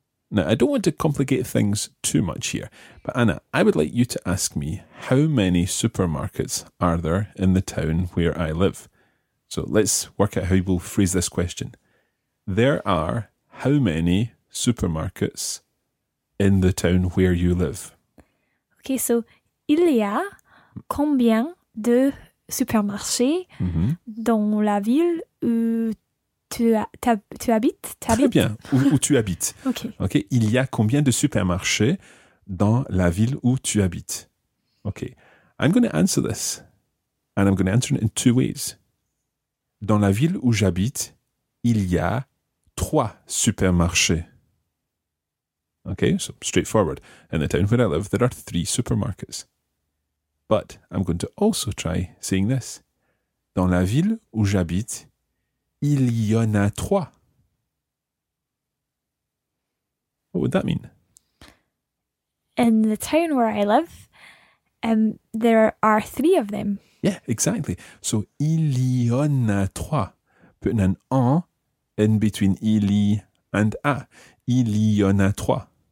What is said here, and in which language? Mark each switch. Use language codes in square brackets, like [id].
[en] Now, I don't want to complicate things too much here, but Anna, I would like you to ask me how many supermarkets are there in the town where I live? So let's work out how we'll phrase this question. There are how many supermarkets in the town where you live? Okay, so [fr] il y a combien de supermarché dans la ville où tu habites? Très bien, où tu habites. [en] Okay. [fr] Il y a combien de supermarchés dans la ville où tu habites? [en] Okay. I'm going to answer this, and I'm going to answer it in two ways. [fr] Dans la ville où j'habite, il y a 3 supermarchés. [en] Okay, so straightforward. In the town where I live, there are 3 supermarkets. But I'm going to also try saying this. [fr] Dans la ville où j'habite, il y en a 3. [en] What would that mean? In the town where I live, there are 3 of them. Yeah, exactly. So [fr] il y en a 3. [en] Putting an en in between il y and a. [fr] Il y en a 3.